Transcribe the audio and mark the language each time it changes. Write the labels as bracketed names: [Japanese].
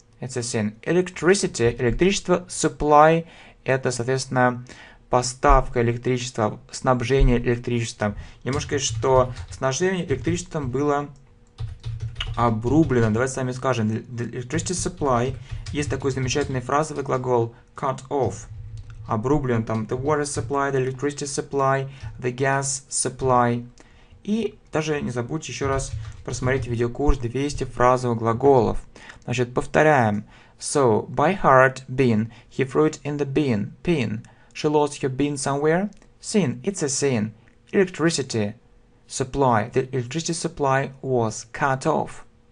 [English] It's a sin. Electricity, [Russian] электричество, [English] supply, [Russian] это, соответственно, поставка электричества, снабжение электричеством. Я могу сказать, что снабжение электричеством было обрублено. Давайте сами скажем. [English] The electricity supply. [Russian] Есть такой замечательный фразовый глагол cut off. Обрублен там. [English] The water supply, the electricity supply, the gas supply. [Russian] И даже не забудьте еще раз просмотреть видеокурс 200 фразовых глаголов. Значит, повторяем. [English] So, by heart, bin. He threw it in the bin. Pin. She lost her bin somewhere. Sin. It's a sin. Electricity supply. The electricity supply was cut off.